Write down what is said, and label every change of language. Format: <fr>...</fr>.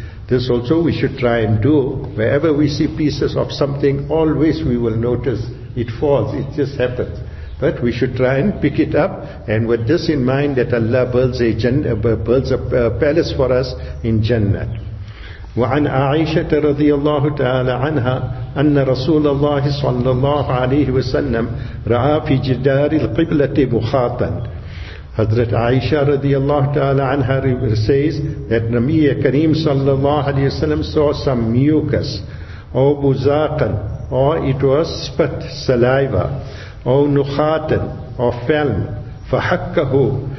<en>This also we should try and do. Wherever we see pieces of something, always we will notice it falls. It just happens. But we should try and pick it up. And with this in mind, that Allah builds a palace for us in Jannat.</en> <ar>وعن عائشة رضي الله تعالى عنها أن رسول الله صلى الله عليه وسلم رأى في جدار القبلة مخاطا.</ar> <en>Hazrat Aisha radiallahu ta'ala anha says that Nabiyya Kareem sallallahu alayhi wa sallam saw some mucus, or buzaqan, or it was spit, saliva, or nukhatan, or film, fahakkahu.</en>